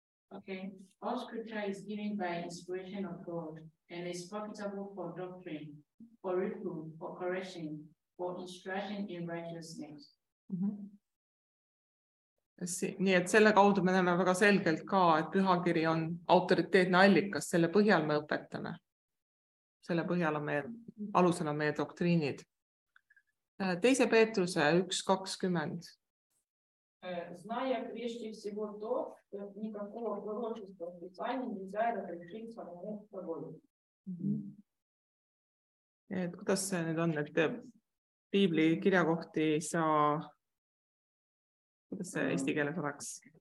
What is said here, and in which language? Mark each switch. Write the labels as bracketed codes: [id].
[en] Okay, all scripture is given by inspiration of God and is profitable for doctrine, for reproof, for correction, for instruction in righteousness. [et] Nii et selle kaudu me näeme väga selgelt ka, et pühakiri on autoriteetne allikas, selle põhjal me õpetame. Selle põhjal on meie, alusel on meie doktriinid. Teise Peetruse 1:20. [ru] Зная прежде всего то, что никакого пророчества в Писании нельзя разрешить самому собой. [et] Et kuidas see nüüd on, et Piibli kirjakohti ei saa, kuidas see eesti keeles oleks?